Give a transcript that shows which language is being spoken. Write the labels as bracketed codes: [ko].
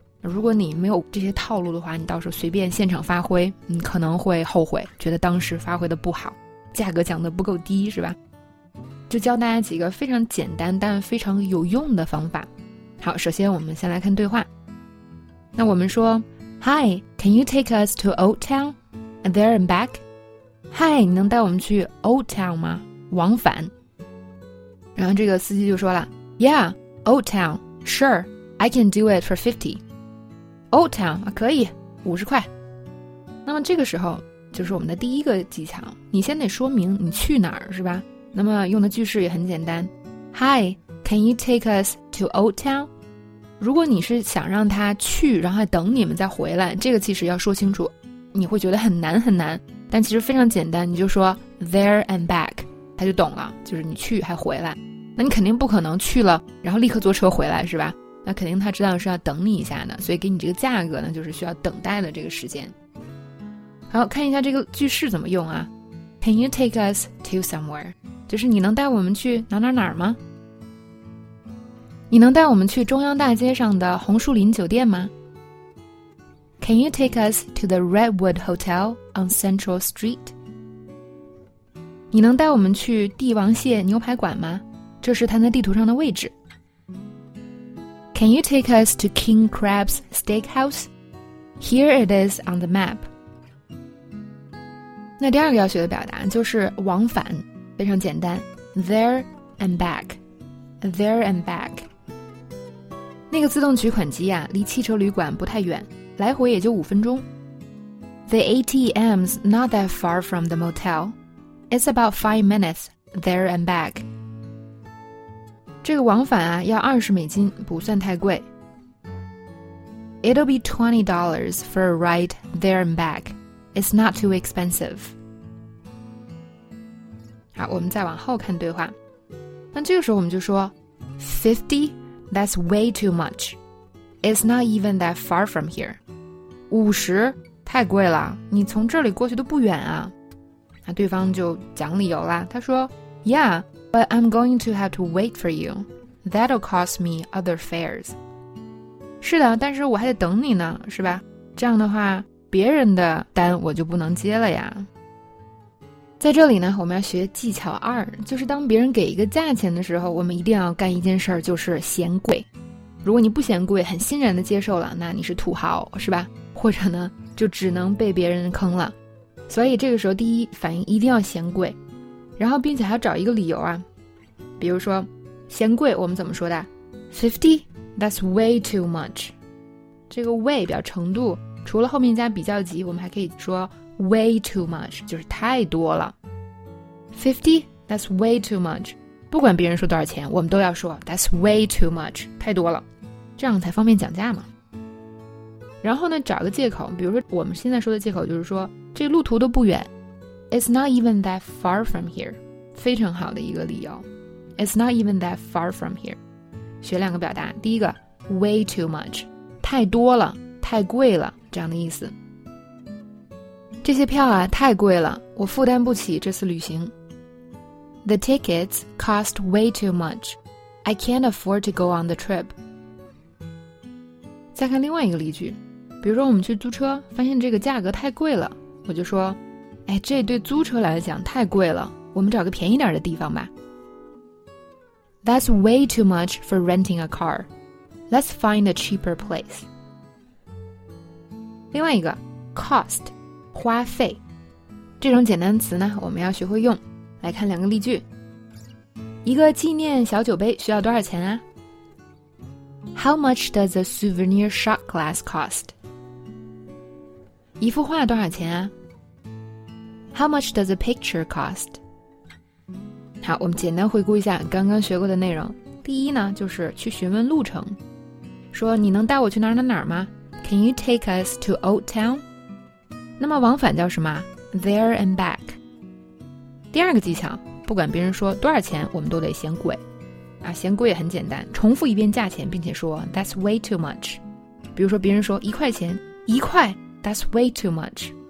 [zh] 如果你没有这些套路的话，你到时候随便现场发挥，你可能会后悔，觉得当时发挥的不好，价格讲的不够低，是吧？就教大家几个非常简单但非常有用的方法。好，首先我们先来看对话。那我们说 [en] Hi, can you take us to Old Town? And there and back? [zh] Hi, 你能带我们去 Old Town 吗？往返。然后这个司机就说了 [en] Yeah, Old Town, sure, I can do it for 50. [zh] Old Town, 可以，50块。那么这个时候就是我们的第一个技巧，你先得说明你去哪儿，是吧？那么用的句式也很简单 [en] Hi, can you take us to Old Town? [zh] 如果你是想让他去然后等你们再回来，这个其实要说清楚，你会觉得很难很难，但其实非常简单，你就说 [en] There and back, [zh] 他就懂了，就是你去还回来。那你肯定不可能去了然后立刻坐车回来，是吧？那肯定他知道是要等你一下的，所以给你这个价格呢，就是需要等待的这个时间。好，看一下这个句式怎么用啊。 [en] Can you take us to somewhere? [zh] 就是你能带我们去哪哪哪吗？你能带我们去中央大街上的红树林酒店吗？ [en] Can you take us to the Redwood Hotel on Central Street? [zh] 你能带我们去帝王蟹牛排馆吗？这是它在地图上的位置。 [en] Can you take us to King Crab's Steakhouse? Here it is on the map. [zh] 那第二个要学的表达就是往返，非常简单 ， [en] there and back, there and back。 [zh] 那个自动取款机啊，离汽车旅馆不太远，来回也就五分钟。 [en] The ATM's not that far from the motel. It's about 5 minutes there and back. [zh] 这个往返啊，要$20，不算太贵。 [en] It'll be $20 for a ride there and back. It's not too expensive. [zh] 好，我们再往后看对话。那这个时候我们就说 50? [en] That's way too much. It's not even that far from here. 50? [zh] 太贵了，你从这里过去都不远啊。那对方就讲理由了，他说 [en] Yeah, but I'm going to have to wait for you. That'll cost me other fares. [zh] 是的，但是我还得等你呢，是吧？这样的话别人的单我就不能接了呀。在这里呢，我们要学技巧二，就是当别人给一个价钱的时候，我们一定要干一件事，就是嫌贵。如果你不嫌贵，很欣然的接受了，那你是土豪，是吧？或者呢，就只能被别人坑了。所以这个时候第一反应一定要嫌贵，然后并且还要找一个理由啊。比如说嫌贵我们怎么说的？ [en] 50? That's way too much. [zh] 这个 way 表程度，除了后面加比较级，我们还可以说 [en] way too much, [zh] 就是太多了。 [en] 50? That's way too much. [zh] 不管别人说多少钱，我们都要说 [en] That's way too much, [zh] 太多了，这样才方便讲价嘛。然后呢，找个借口，比如说我们现在说的借口就是说这路途都不远。 [en] It's not even that far from here. [zh] 非常好的一个理由。 [en] It's not even that far from here. [zh] 学两个表达，第一个 [en] way too much, [zh] 太多了，太贵了，这样的意思。这些票啊太贵了，我负担不起这次旅行。 [en] The tickets cost way too much. I can't afford to go on the trip. [zh] 再看另外一个例句，比如说我们去租车发现这个价格太贵了，我就说哎，这对租车来讲太贵了，我们找个便宜点的地方吧。 [en] That's way too much for renting a car. Let's find a cheaper place. [zh] 另外一个 cost花费，这种简单词呢我们要学会用。来看两个例句。一个纪念小酒杯需要多少钱啊？ [en] How much does a souvenir shot glass cost? [zh] 一幅画多少钱啊？ [en] How much does a picture cost? [zh] 好，我们简单回顾一下刚刚学过的内容。第一呢，就是去询问路程，说你能带我去哪儿哪哪儿吗？ [en] Can you take us to Old Town? [zh] 那么往返叫什么？ [en] There and back。 [zh] 第二个技巧，不管别人说多少钱，我们都得嫌贵。啊，嫌贵也很简单，重复一遍价钱，并且说 [en] That's way too much。 [zh] 比如说别人说一块钱，一块 [en] That's way too much。